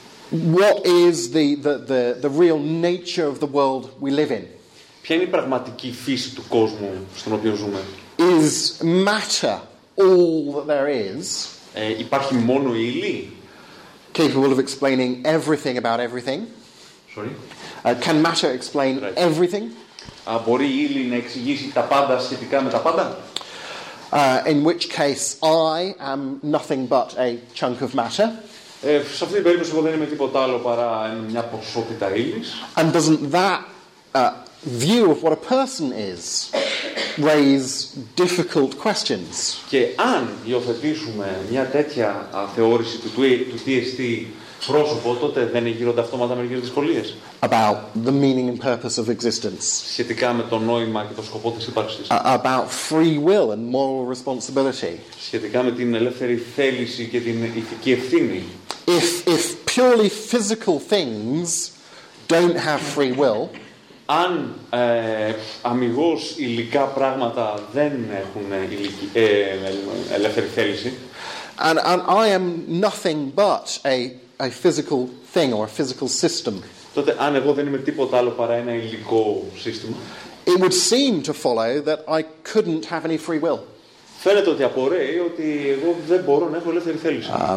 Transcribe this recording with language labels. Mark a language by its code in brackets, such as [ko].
[en] What is the real nature of the world we live in? [el] Ποια είναι η πραγματική φύση του κόσμου στον οποίο ζούμε? [en] Is matter all that there is? [el] Υπάρχει μόνο η ύλη? [en] Capable of explaining everything about everything? Sorry. Can matter explain right. everything? [el] Μπορεί η ύλη να εξηγήσει τα πάντα σχετικά με τα πάντα? [en] In which case I am nothing but a chunk of matter. [el] Σε αυτή την περίπτωση εγώ δεν είμαι τίποτα άλλο παρά μια ποσότητα ύλης. [en] And doesn't that view of what a person is raise difficult questions? [el] Και αν υιοθετήσουμε μια τέτοια θεώρηση του τι εστί πρόσωπο, τότε δεν γίνονται αυτόματα μερικές δυσκολίες. [en] About the meaning and purpose of existence. [el] Σχετικά με το νόημα και το σκοπό της ύπαρξης. [en] About free will and moral responsibility. [el] Σχετικά με την ελεύθερη θέληση και την ηθική ευθύνη. [en] If purely physical things don't have free will, [el] αν αμιγώς υλικά πράγματα δεν έχουν ελεύθερη θέληση, [en] and I am nothing but a physical thing or a physical system, [el] τότε αν εγώ δεν είμαι τίποτα άλλο παρά ένα υλικό σύστημα, [en] it would seem to follow that I couldn't have any free will. [el] Φαίνεται ότι απορρέει ότι εγώ δεν μπορώ να έχω ελεύθερη θέληση.